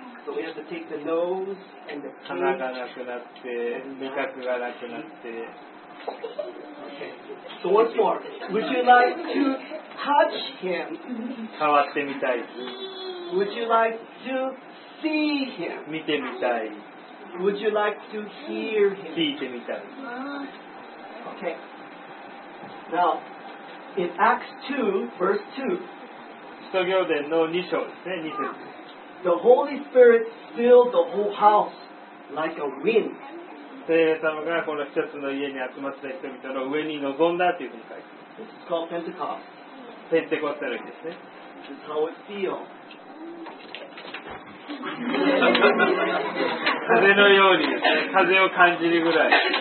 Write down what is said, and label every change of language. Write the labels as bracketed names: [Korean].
[English] So we have to take the nose and the teeth. [Japanese] 鼻がなくなって、味覚がなくなって。 [English] Okay. So what's more? Would you like to touch him? [Japanese] 触ってみたい。 [English] Would you like to see him? [Japanese] 見てみたい。 [English] Would you like to hear him? [Japanese] 聞いてみたい。 [English] Okay. Now, in Acts 2, verse 2, [Japanese] 使徒行伝の2章ですね、2節。 [English] The Holy Spirit filled the whole house like a wind. [Japanese] 聖霊様がこの一つの家に集まった人々の上に臨んだというふうに書いてある。 [English] This is called Pentecost. [Japanese] ペンテコステの日ですね。 [English] This is how it feels. [Japanese] 風のようにですね、風を感じるぐらい。